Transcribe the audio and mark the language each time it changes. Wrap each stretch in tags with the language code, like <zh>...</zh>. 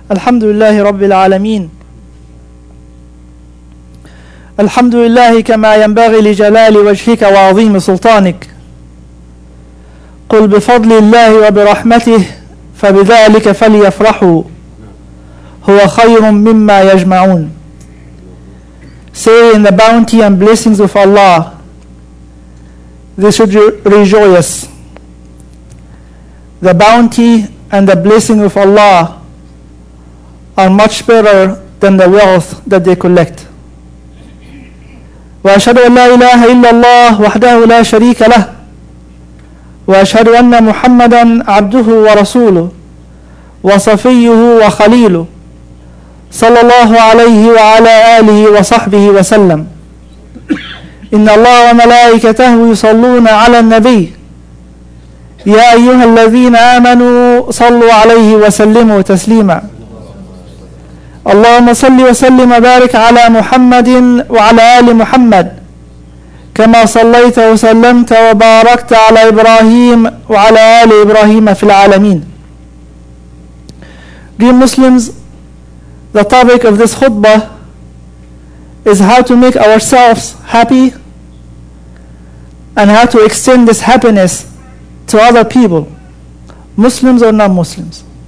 <ar>الحمد لله رب العالمين الحمد لله كما ينبغي لجلال وجهك وعظيم سلطانك قل بفضل الله وبرحمته فبذلك فليفرحوا هو خير مما يجمعون.</ar> <en>Say in the bounty and blessings of Allah, they should rejoice. The bounty and the blessing of Allah are much better than the wealth that they collect.</en> <ar>وأشهد أن لا إله إلا الله وحده لا شريك له وأشهد أن محمدا عبده ورسوله وصفيه وخليله صلى الله عليه وعلى آله وصحبه وسلم. إن الله وملائكته يصلون على النبي يا أيها الذين آمنوا صلوا عليه وسلموا تسليما. اللهم صل وسلم وبارك على محمد وعلى آل محمد كما صليت وسلمت وباركت على إبراهيم وعلى آل إبراهيم في العالمين.</ar> <en>Dear Muslims, the topic of this khutbah is how to make ourselves happy and how to extend this happiness to other people, Muslims or non-Muslims.</en>